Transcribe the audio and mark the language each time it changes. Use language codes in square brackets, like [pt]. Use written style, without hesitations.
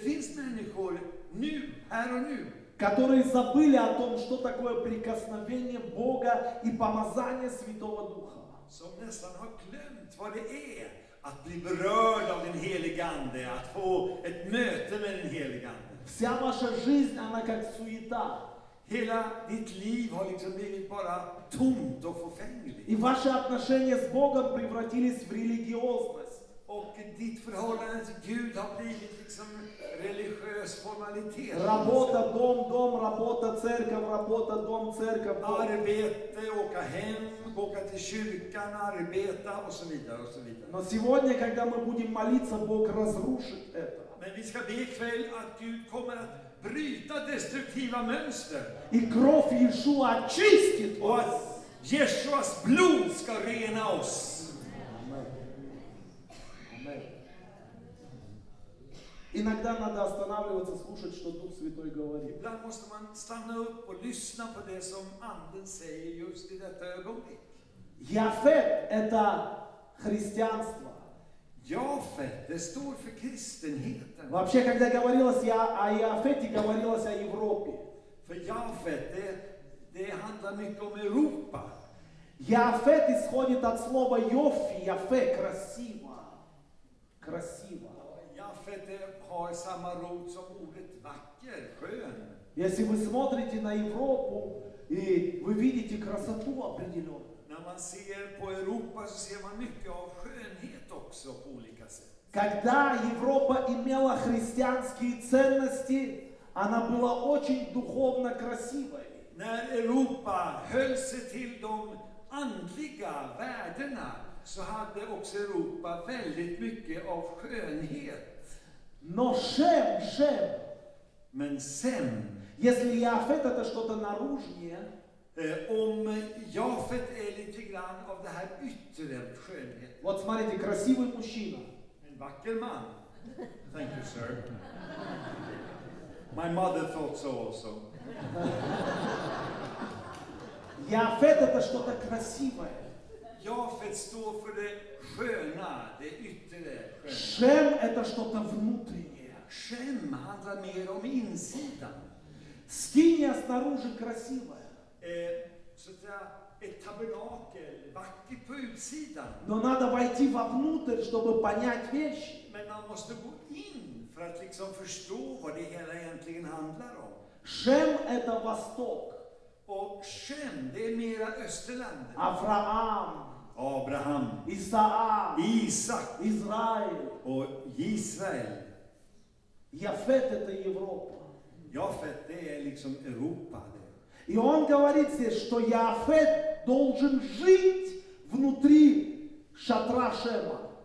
[sv] finns människor nu, här och nu. [ru] Которые забыли о том, что такое прикосновение Бога и помазание Святого Духа. [sv] Som nästan har glömt vad det är att bli berörd av den helige ande, att få ett möte med den helige ande. [ru] Вся ваша жизнь, она как суета. [sv] Hela ditt liv har liksom blivit bara tomt och förfängligt. [ru] И ваши отношения с Богом превратились в религиозность. [sv] Och ditt förhållande till Gud har blivit liksom religiös formalitet. [ru] Работа, дом, дом, работа, церковь, работа, дом, церковь. [sv] Arbete, åka hem, åka till kyrkan, arbeta och så vidare och så vidare. [ru] Но сегодня, когда мы будем молиться, Бог разрушит это. [sv] Men vi ska be ikväll att Gud kommer att bryta destruktiva mönster. [ru] И кровь Иешуа очистит вас. [sv] Och att Jeshuas blod ska rena oss. [ru] Иногда надо останавливаться, слушать, что Дух Святой говорит. [sv] Ibland måste man stanna upp och lyssna på det som Anden säger just i detta ögonblick. [ru] Jafet – это христианство. [sv] Jafet – det står för kristenheten. [ru] Вообще, когда говорилось о Jafet, говорилось о Европе. [sv] För Jafet – det handlar mycket om Europa. [ru] Jafet исходит от слова Йофи, Jafe – красиво. Красиво. [sv] Jafet har samma rot som ordet vacker, skön. [ru] Если вы смотрите на Европу и вы видите красоту определенную. [sv] När man ser på Europa så ser man mycket av skönhet också på olika sätt. [ru] Когда Европа имела христианские ценности, она была очень духовно красивой. [sv] När Europa höll sig till de andliga värdena så hade också Europa väldigt mycket av skönhet. [ru] Но шем, шем. [sv] Men sen, [ru] если я фет это что-то наружнее, [sv] om Jafet är lite grann av det här yttre skönhet. [ru] Вот смотрите, красивый мужчина. [sv] En vacker man. [en] Thank you, sir. My mother thought so also. [ru] Jafet это что-то красивое. [sv] Jafet står för det sköna, det yttre. [ru] Shem это что-то внутреннее. [sv] Shem handlar mer om insidan. [ru] Skinja снаружи красивая. [sv] Så att säga, ett tabernakel, vackert på utsidan. [ru] Но надо войти вовнутрь, чтобы понять вещи. [sv] Men man måste gå in för att liksom förstå vad det hela egentligen handlar om. [ru] Shem это восток. [sv] Och Shem, det är mera österländer. [ru] Avraham. [sv] Abraham. [ru] Isaak. [sv] Isaac. [ru] Israel. [sv] Och Israel. [ru] Jafet это Европа. [sv] Jafet, det är liksom Europa. [ru] И он говорит здесь, что Яфет должен жить внутри шатра Шема.